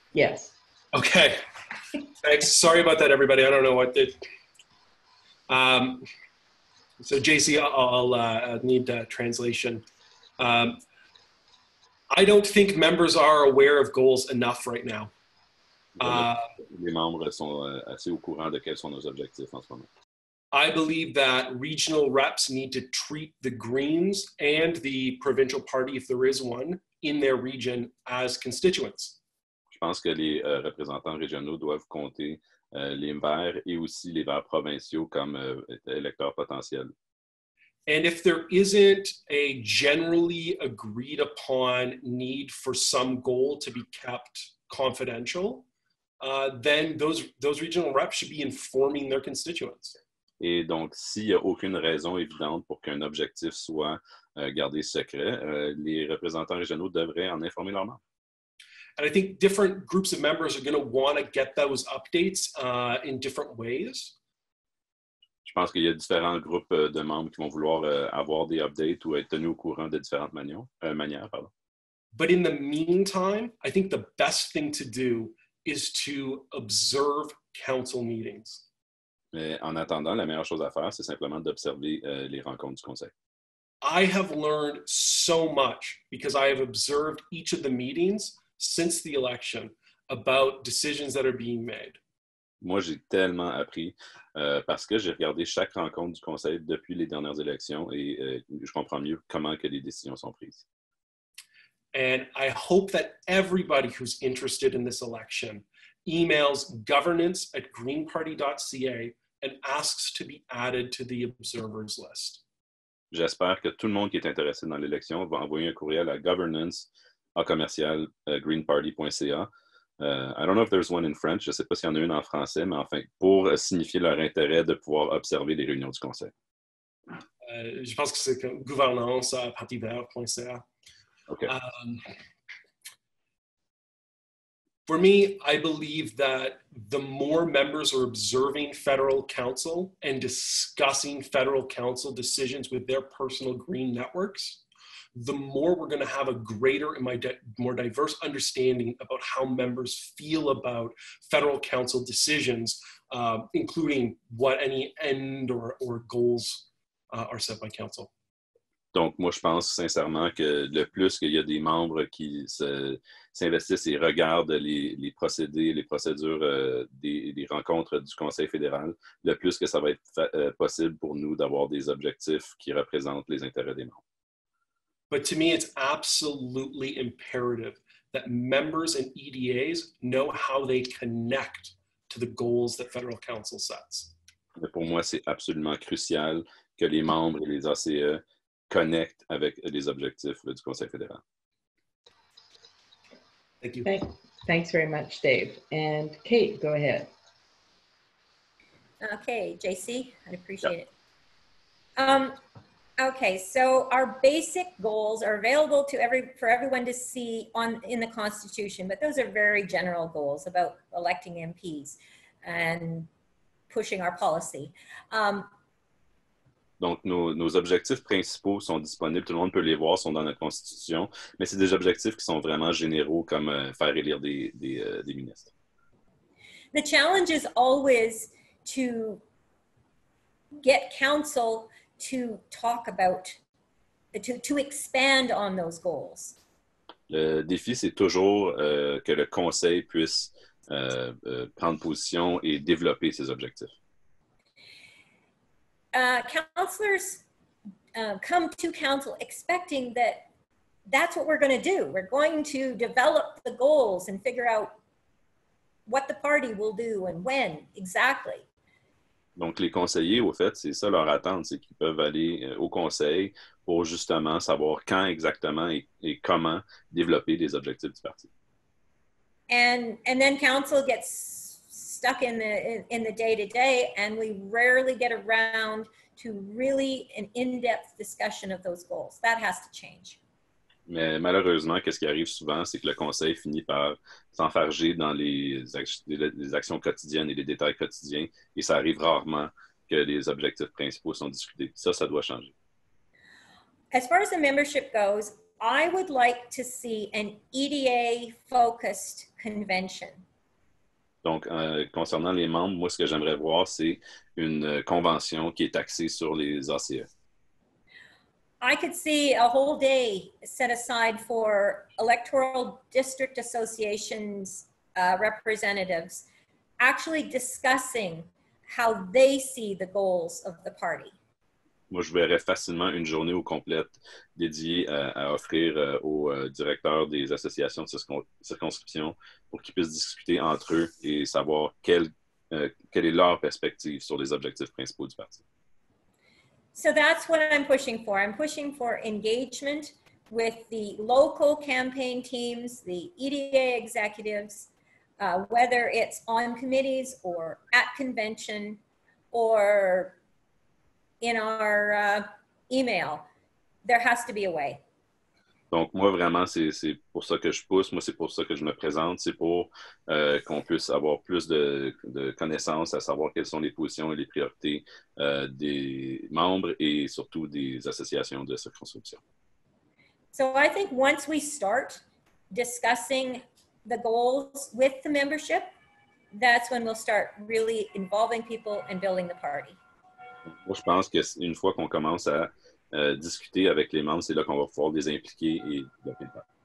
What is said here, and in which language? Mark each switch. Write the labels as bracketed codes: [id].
[en] Yes. Okay, thanks. Sorry about that, everybody. I don't know what did. So JC, I'll need a translation. I don't think members are aware of goals enough right now. [fr] Les membres sont assez au courant de quels sont nos objectifs en ce moment. [en] I believe that regional reps need to treat the Greens and the provincial party, if there is one, in their region as constituents. [fr] Je pense que les représentants régionaux doivent compter les Verts et aussi les Verts provinciaux comme électeurs potentiels. [en] And if there isn't a generally agreed upon need for some goal to be kept confidential, then those regional reps should be informing their constituents. [fr] Et donc, s'il n'y a aucune raison évidente pour qu'un objectif soit gardé secret, les représentants régionaux devraient en informer leurs membres. [en] And I think different groups of members are going to want to get those updates in different ways. [fr] Je pense qu'il y a différents groupes de membres qui vont vouloir avoir des updates ou être tenus au courant de différentes manières. Pardon. [en] But in the meantime, I think the best thing to do is to observe council meetings. [fr] Mais en attendant, la meilleure chose à faire, c'est simplement d'observer les rencontres du conseil. [en] I have learned so much because I have observed each of the meetings since the election about decisions that are being made. [fr] Moi, j'ai tellement appris parce que j'ai regardé chaque rencontre du conseil depuis les dernières élections et je comprends mieux comment que les décisions sont prises. [en] And I hope that everybody who's interested in this election emails governance@greenparty.ca and asks to be added to the observers list. [fr] J'espère que tout le monde qui est intéressé dans l'élection va envoyer un courriel à governance@greenparty.ca. [en] I don't know if there's one in French. [fr] Je ne sais pas s'il y en a une en français, mais enfin, pour signifier leur intérêt de pouvoir observer les réunions du conseil. Je pense que c'est governance@partyvert.ca. [en] Okay. For me, I believe that the more members are observing federal council and discussing federal council decisions with their personal green networks, the more we're going to have a greater and more diverse understanding about how members feel about federal council decisions, including what any end or goals are set by council. [fr] Donc, moi, je pense sincèrement que le plus qu'il y a des membres qui s'investissent et regardent les procédés, les procédures des rencontres du Conseil fédéral, le plus que ça va être possible pour nous d'avoir des objectifs qui représentent les intérêts des membres. [en] But to me, it's absolutely imperative that members and EDAs know how they connect to the goals that Federal Council sets. [fr] Mais pour moi, c'est absolument crucial que les membres et les ACE connect avec les objectifs du Conseil fédéral. [en] Thank you. Thanks very much, Dave. And Kate, go ahead. Okay, JC, I appreciate it. Okay, so our basic goals are available to for everyone to see in the Constitution, but those are very general goals about electing MPs and pushing our policy. [fr] Donc, nos objectifs principaux sont disponibles, tout le monde peut les voir, sont dans notre constitution, mais c'est des objectifs qui sont vraiment généraux, comme faire élire des ministres. [en] The challenge is always to get council to talk about, to expand on those goals. [fr] Le défi, c'est toujours que le conseil puisse prendre position et développer ses objectifs. [en] Councillors come to council expecting that's what we're going to do. We're going to develop the goals and figure out what the party will do and when exactly. [fr] Donc les conseillers, au fait, c'est ça leur attente, c'est qu'ils peuvent aller au conseil pour justement savoir quand exactement et comment développer les objectifs du parti. [en] And then council gets stuck in the day-to-day, and we rarely get around to really an in-depth discussion of those goals. That has to change. [fr] Mais malheureusement, qu'est-ce qui arrive souvent, c'est que le conseil finit par s'enfarger dans les actions quotidiennes et les détails quotidiens, et ça arrive rarement que les objectifs principaux sont discutés. Ça, ça doit changer. [en] As far as the membership goes, I would like to see an EDA-focused convention. [fr] Donc, concernant les membres, moi, ce que j'aimerais voir, c'est une convention qui est axée sur les ACE. [en] I could see a whole day set aside for electoral district associations representatives actually discussing how they see the goals of the party. [fr] Moi, je verrais facilement une journée au complet dédiée à offrir aux directeurs des associations de circonscription pour qu'ils puissent discuter entre eux et savoir quelle est leur perspective sur les objectifs principaux du parti. [en] So that's what I'm pushing for. I'm pushing for engagement with the local campaign teams, the EDA executives, whether it's on committees or at convention or in our email. There has to be a way. [fr] Donc moi vraiment, c'est pour ça que je pousse, moi c'est pour ça que je me présente, c'est pour qu'on puisse avoir plus de connaissances, à savoir quelles sont les positions et les priorités des membres et surtout des associations de circonscription. [en] So I think once we start discussing the goals with the membership, that's when we'll start really involving people and building the party. [fr] Moi, je pense qu'une fois qu'on commence à discuter avec les membres, c'est là qu'on va pouvoir les impliquer et les faire.